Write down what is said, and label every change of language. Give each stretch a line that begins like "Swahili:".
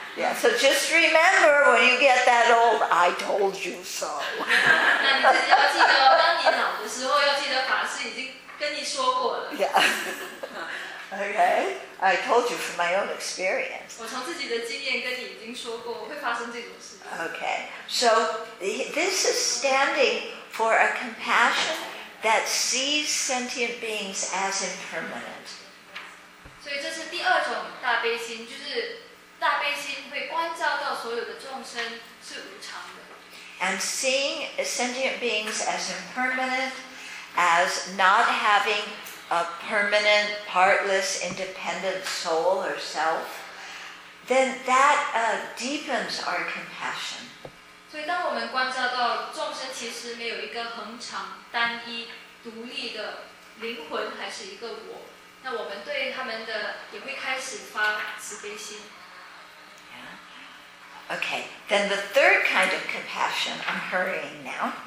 English: Yeah, so just remember when you get that old, I told you so.
Chinese: 那你自己要记得，当你老的时候，要记得法师已经跟你说过了。
English: Yeah. Okay, I told you from my own experience.
Chinese: 我从自己的经验跟你已经说过，会发生这种事。
English: Okay, so this is standing for a compassion that sees sentient beings as impermanent.
Chinese: 所以这是第二种大悲心，就是大悲心会关照到所有的众生是无常的。
English: And seeing sentient beings as impermanent, as not having a permanent, partless, independent soul or self, then that deepens our compassion.
Chinese: 所以当我们观照到众生其实没有一个恒常、单一、独立的灵魂，还是一个我，那我们对他们的也会开始发慈悲心。
English: Okay, then the third kind of compassion, I'm hurrying now.